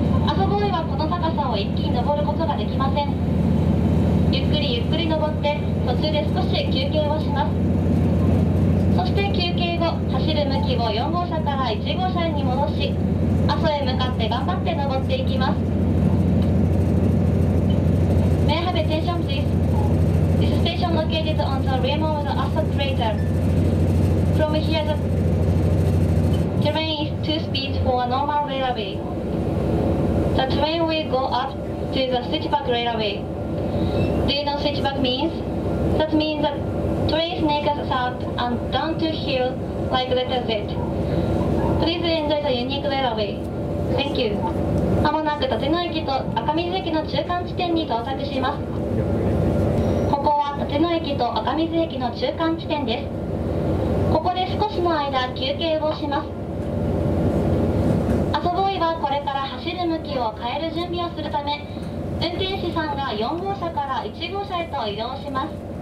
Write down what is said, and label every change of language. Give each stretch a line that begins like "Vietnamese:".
Japanese: 阿蘇ボーイはこの高さを一気に登ることができません。ゆっくりゆっくり登って、途中で少し休憩をします。そして休憩後、走る向きを4号車から1号車に戻し、阿蘇へ向かって頑張って登っていきます。
English: May I have attention please? This station located on the rim of the Aso crater. From here the terrain is too speed for a normal railway. The terrain will go up to the switchback railway. Do you know switchback means? That means the train snakes up and down to hill like letter Z. Please enjoy the unique railway. Thank you.
Japanese: まもなく立野駅と赤水駅の中間地点に到着します。ここは立野駅と赤水駅の中間地点です。ここで少しの間休憩をします。アソボーイはこれから走る向きを変える準備をするため、運転士さんが4号車から1号車へと移動します。